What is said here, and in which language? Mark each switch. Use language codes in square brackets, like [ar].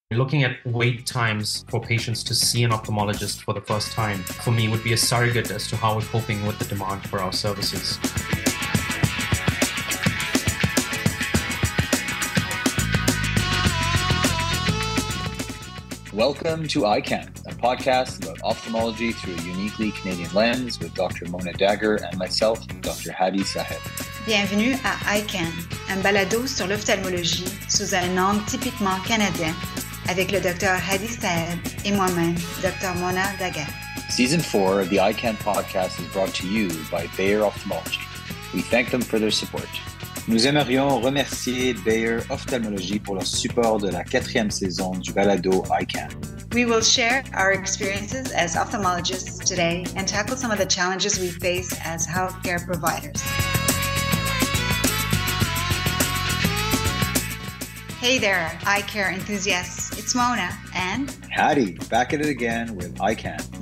[en] Looking at wait times for patients to see an ophthalmologist for the first time, for me, would be a surrogate as to how we're coping with the demand for our services. Welcome to EyeCan, a podcast about ophthalmology through a uniquely Canadian lens with Dr. Mona Dagger and myself, Dr. Hadi Saheb. [fr] Bienvenue à EyeCan, un balado sur l'ophtalmologie sous un angle typiquement canadien, avec le Dr. Hadi Saheb et moi-même, Dr. Mona Dagger. [en] Season 4 of the EyeCan podcast is brought to you by Bayer Ophthalmology. We thank them for their support. [fr] Nous aimerions remercier Bayer Ophthalmology pour leur support de la quatrième saison du balado EyeCan. [en] We will share our experiences as ophthalmologists today and tackle some of the challenges we face as healthcare providers. Hey there, eye care enthusiasts. It's Mona and Hadi, back at it again with EyeCan.